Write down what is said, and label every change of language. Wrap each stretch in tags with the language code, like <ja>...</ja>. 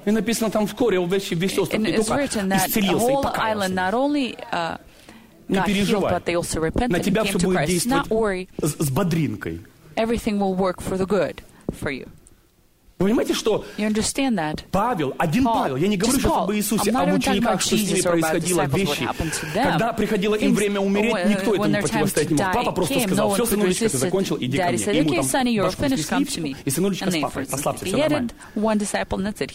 <ru>И написано там вскоре весь остров исцелился и покаялся. Не переживай. На тебя все будет действовать с бодринкой.</ru> <en>Everything will work for the good for you.</en> <ru>Вы понимаете, что Павел, один Павел, я не говорю сейчас об Иисусе, а в учениках, что с ними происходило, вещи, когда приходило им время умереть, никто этому противостоять не мог. Папа просто сказал, все, сынулечка, ты закончил, иди ко мне. Ему там башку снесли, и сынулечка с папой, послабься, все нормально.</ru>